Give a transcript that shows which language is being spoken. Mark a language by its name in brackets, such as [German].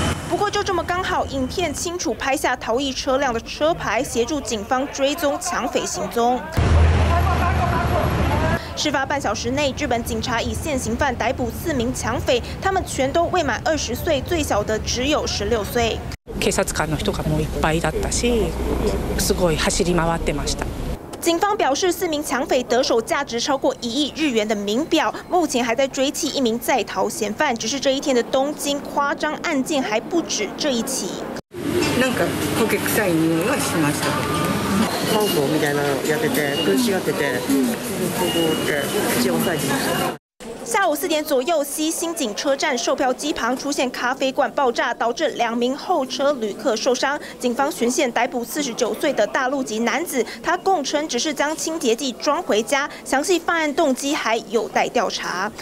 [Chinese] 不过就这么刚好，影片清楚拍下逃逸车辆的车牌，协助警方追踪抢匪行踪。事发半小时内，日本警察以现行犯逮捕4名抢匪，他们全都未满20岁，最小的只有16岁。 [Japanese] 警察官の人がもういっぱいだったし、すごい走り回ってました。 [Chinese] 警方表示，4名抢匪得手价值超过1亿日元的名表，目前还在追缉一名在逃嫌犯。只是这一天的东京夸张案件还不止这一起。 [Japanese] なんか焦げ臭い匂いがしました。炭火みたいなのやってて、くしがってて、ここで口を押さえてました。 [Chinese] 下午4点左右，西新井车站售票机旁出现咖啡罐爆炸，导致2名候车旅客受伤。警方巡线逮捕49岁的大陆籍男子，他供称只是将清洁剂装回家，详细犯案动机还有待调查。